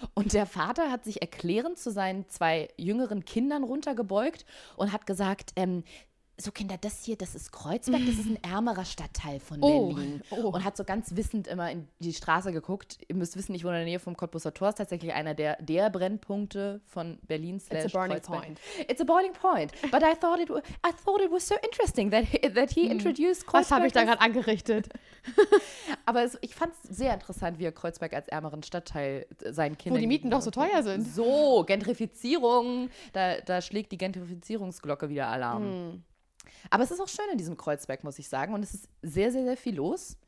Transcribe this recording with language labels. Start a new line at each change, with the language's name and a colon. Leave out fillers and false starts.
German: Und der Vater hat sich erklärend zu seinen zwei jüngeren Kindern runtergebeugt und hat gesagt, so Kinder, das hier, das ist Kreuzberg, das ist ein ärmerer Stadtteil von Berlin. Oh. Und hat so ganz wissend immer in die Straße geguckt. Ihr müsst wissen, ich wohne in der Nähe vom Kottbusser Tor, ist tatsächlich einer der Brennpunkte von Berlin.
English: It's a boiling point. It's a boiling point. But I thought it was so interesting that he introduced Kreuzberg.
German: Was habe ich da gerade angerichtet? Aber ich fand es sehr interessant, wie er Kreuzberg als ärmeren Stadtteil seinen Kindern. Wo die Mieten doch so teuer sind. So, Gentrifizierung. Da schlägt die Gentrifizierungsglocke wieder Alarm. Mm. Aber es ist auch schön in diesem Kreuzberg, muss ich sagen. Und es ist sehr, sehr, sehr viel los.